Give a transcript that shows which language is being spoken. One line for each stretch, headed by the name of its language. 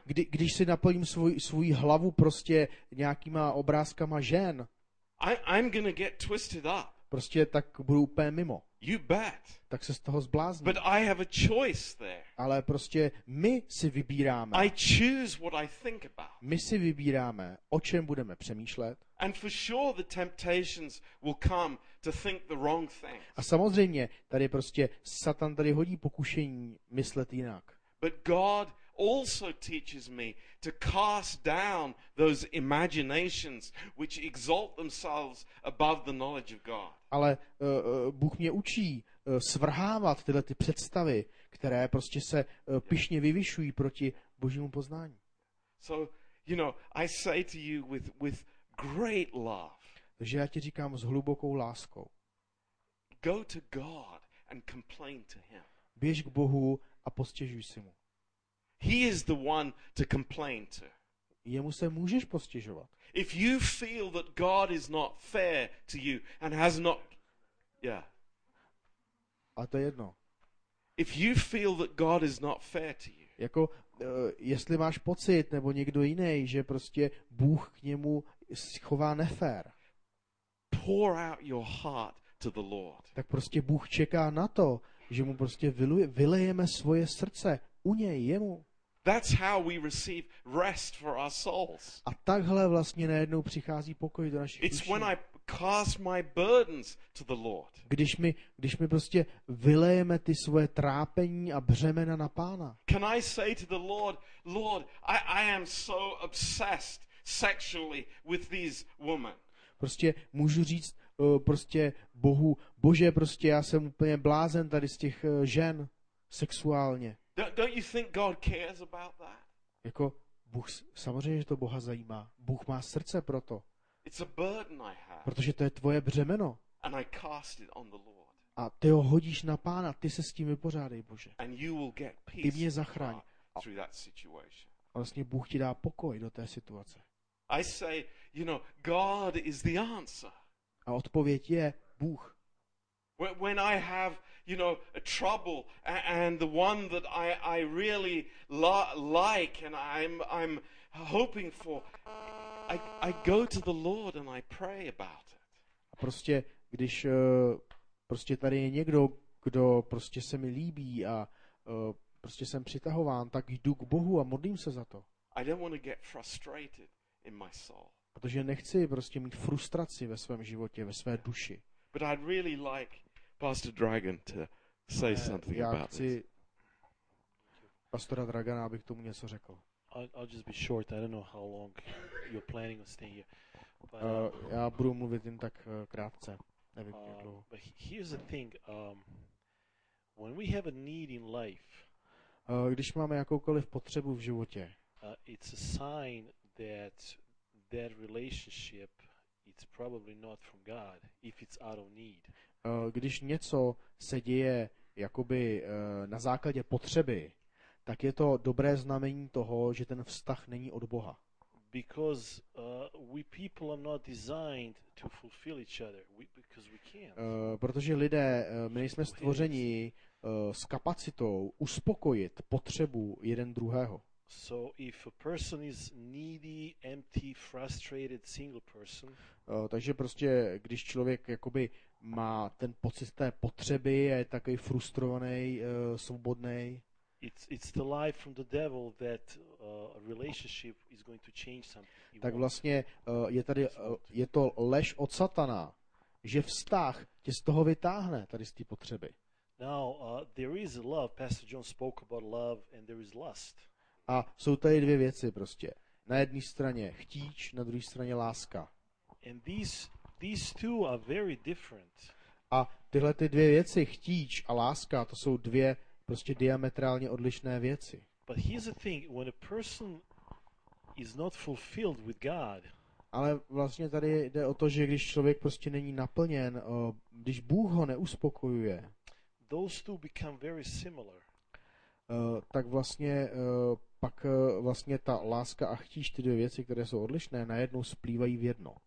Czech: Když si naplním svůj hlavu prostě nějakýma obrázkama žen,
English: I'm gonna get twisted up.
Czech: Prostě tak budu úplně mimo.
English: You bet.
Czech: Tak se z toho zblázním.
English: But I have a choice there.
Czech: Ale prostě my si vybíráme.
English: I choose what I think about.
Czech: My si vybíráme, o čem budeme přemýšlet.
English: And for sure the temptations will come to think the wrong thing.
Czech: A samozřejmě tady prostě Satan tady hodí pokušení myslet jinak.
English: But God also teaches me to cast down those imaginations which exalt themselves above the knowledge of God.
Czech: Ale Bůh mě učí svrhávat tyhle ty představy, které prostě se pyšně vyvyšují proti Božímu poznání.
English: So, you know, I say to you with great love.
Czech: Takže já ti říkám s hlubokou láskou.
English: Go to God and complain to him.
Czech: Běž k Bohu a postěžuj si mu.
English: He is the one to complain to.
Czech: Jemu se můžeš postěžovat.
English: If you feel that God is not fair to you and has not, yeah.
Czech: A to jedno.
English: If you feel that God is not fair to you.
Czech: Jako jestli máš pocit nebo někdo jiný, že prostě Bůh k němu chová nefér.
English: Pour out your heart to the Lord.
Czech: Tak prostě Bůh čeká na to, že mu prostě vylejeme svoje srdce u něj, jemu.
English: That's how we receive rest for our souls.
Czech: A takhle vlastně najednou přichází pokoj do našich duší.
English: It's when I cast my burdens to the Lord.
Czech: Když mi prostě vylejeme ty svoje trápení a břemena na Pána.
English: Can I say to the Lord, Lord, I am so obsessed sexually with these women.
Czech: Prostě můžu říct prostě Bohu, Bože, prostě já jsem úplně blázen tady z těch žen sexuálně.
English: Don't you think God cares about that?
Czech: Jako Bůh, samozřejmě, že to Boha zajímá. Bůh má srdce pro to.
English: It's a burden I have.
Czech: Protože to je tvoje břemeno.
English: And I cast it on the Lord.
Czech: A ty ho hodíš na Pána, ty se s tím vypořádej, Bože.
English: And you will get peace.
Czech: Ty mě zachraň.
English: Through that situation.
Czech: A vlastně Bůh ti dá pokoj do té situace.
English: I say, you know, God is the answer.
Czech: A odpověď je Bůh.
English: When I have, you know, a trouble and the one that I really like and I'm hoping for, I go to the Lord and I pray about it.
Czech: A prostě když prostě tady je někdo, kdo prostě se mi líbí a prostě jsem přitahován, tak jdu k Bohu a modlím se za to.
English: I don't want to get frustrated in my soul.
Czech: Protože nechci prostě mít frustraci ve svém životě, ve své duši.
English: But I'd really like Pastor Dragan to say something about this.
Czech: Pastora Dragana, abych tomu něco řekl.
English: I'll just be short. I don't know how long you're planning on staying here.
Czech: Já budu mluvit jen tak krátce. Nevím, jak dlouho.
English: But here's the thing. When we have a need in life,
Czech: když máme jakoukoliv potřebu v životě,
English: it's a sign that relationship it's probably not from God if it's out of need.
Czech: Když něco se děje jakoby na základě potřeby, tak je to dobré znamení toho, že ten vztah není od Boha.
English: Because we people are not designed to fulfill each other because we can't.
Czech: Protože lidé, my nejsme stvořeni s kapacitou uspokojit potřebu jeden druhého.
English: So if a person is needy, empty, frustrated single person.
Czech: Takže prostě když člověk jakoby má ten pocit té potřeby a je takový frustrovaný, svobodný.
English: It's the lie from the devil that a relationship is going to change something.
Czech: Tak vlastně je to lež od Satana, že vztah tě z toho vytáhne, tady z té potřeby.
English: Now there is love. Pastor John spoke about love and there is lust.
Czech: A jsou tady dvě věci prostě. Na jedné straně chtíč, na druhé straně láska.
English: And these two are very different.
Czech: A tyhle ty dvě věci, chtíč a láska, to jsou dvě prostě diametrálně odlišné věci.
English: But here's the thing, when a person is not fulfilled with God.
Czech: Ale vlastně tady jde o to, že když člověk prostě není naplněn, když Bůh ho neuspokojuje.
English: Those two become very similar.
Czech: Tak vlastně pak vlastně ta láska a chtíč, ty dvě věci, které jsou odlišné, najednou splývají v jedno.